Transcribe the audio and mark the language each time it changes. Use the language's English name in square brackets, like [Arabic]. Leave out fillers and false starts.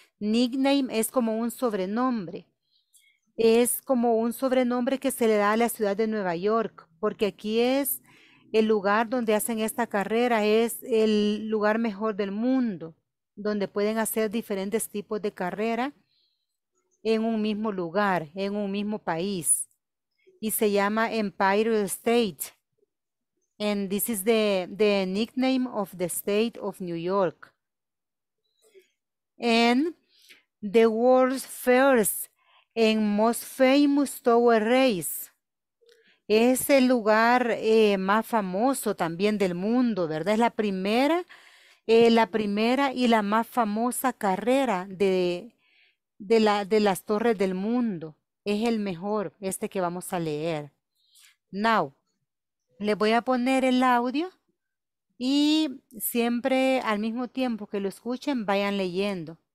[Spanish] Nickname es como un sobrenombre, es como un sobrenombre que se le da a la ciudad de Nueva York, porque aquí es el lugar donde hacen esta carrera, es el lugar mejor del mundo, donde pueden hacer diferentes tipos de carrera en un mismo lugar, en un mismo país. Y se llama Empire State. [English] And this is the nickname of the state of New York. And the world's first and most famous tower race. [Spanish] Es el lugar más famoso también del mundo, ¿verdad? Es la primera y la más famosa carrera de las torres del mundo. Es el mejor, este que vamos a leer. Now, le voy a poner el audio y siempre al mismo tiempo que lo escuchen, vayan leyendo.